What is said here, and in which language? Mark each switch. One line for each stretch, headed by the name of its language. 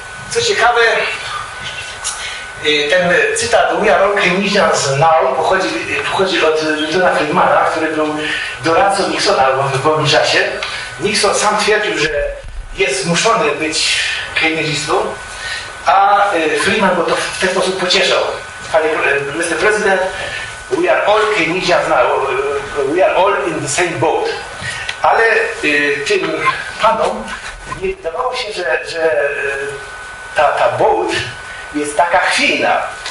Polish: Co ciekawe, ten cytat
English: We are all Keynesians now
Polish: pochodzi od Miltona Friedmana, który był doradcą Nixona w pewnym czasie. Nixon sam twierdził, że jest zmuszony być keynesistą, a Friedman go to w ten sposób pocieszał. Panie Mr.
English: President, we are all Keynesians now, we are all in the same boat.
Polish: Ale tym panom nie wydawało się, że ta boat jest taka chwiejna.